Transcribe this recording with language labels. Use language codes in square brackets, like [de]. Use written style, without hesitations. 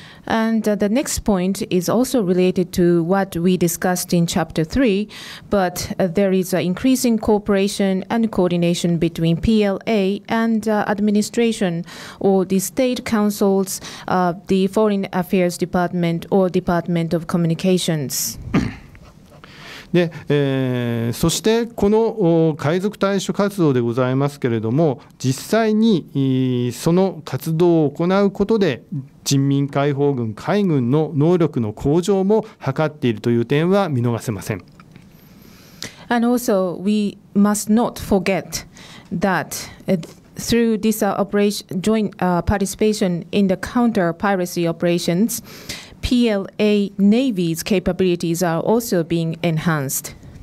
[en] And the next point is also related to what we discussed in chapter 3, but there is an increasing cooperation and coordination between PLA and administration or the state councils, the Foreign Affairs Department or Department of Communications. [ja] で、そしてこの海賊対処活動でございますけれども、実際にその活動を行うことで人民解放軍、海軍の能力の向上も図っているという点は見逃せません。 [en] And also, we must not forget that through this operation, joint participation in the counter-piracy operations,PLA Navy's capabilities are also being enhanced.